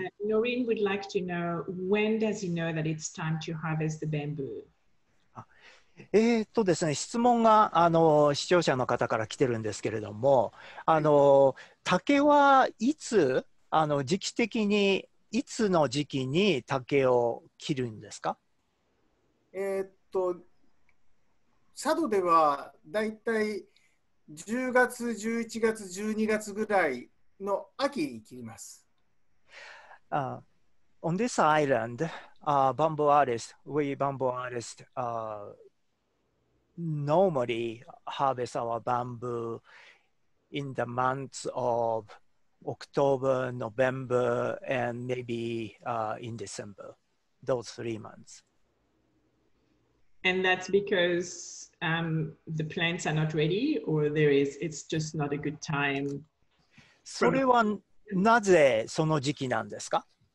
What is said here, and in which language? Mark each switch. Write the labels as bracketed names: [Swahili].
[English] Noreen would like to know, when does he know that it's time to harvest the bamboo? [Japanese] ですね、質問が視聴者の方から来てるんですけれども、竹はいつ時期的にいつの時期に竹を切るんですか？佐渡ではだいたい10月、11月、12月ぐらいの秋に切ります。 [English] On this island, bamboo artists, we bamboo artists normally harvest our bamboo in the months of October, November, and maybe in December, those 3 months. And that's because the plants are not ready, or it's just not a good time? [Japanese] それはなぜその時期なんですか？